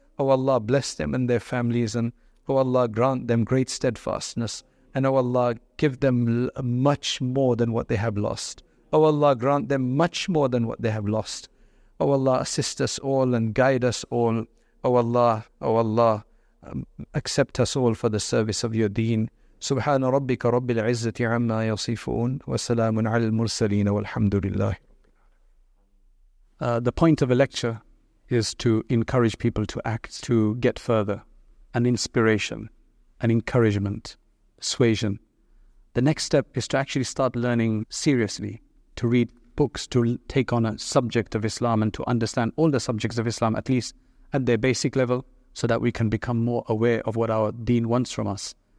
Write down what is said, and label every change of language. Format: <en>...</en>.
<en>Oh Allah, bless them and their families. And oh Allah, grant them great steadfastness. And oh Allah, give them much more than what they have lost. Oh Allah, grant them much more than what they have lost. Oh Allah, assist us all and guide us all. Oh Allah, oh Allah, accept us all for the service of your deen.</en> <ar>سبحان ربك رب العزة عما يصفون وسلام على المرسلين والحمد لله.</ar> <en>The point of a lecture is to encourage people to act, to get further, an inspiration, an encouragement, persuasion. The next step is to actually start learning seriously, to read books, to take on a subject of Islam and to understand all the subjects of Islam, at least at their basic level, so that we can become more aware of what our deen wants from us.</en>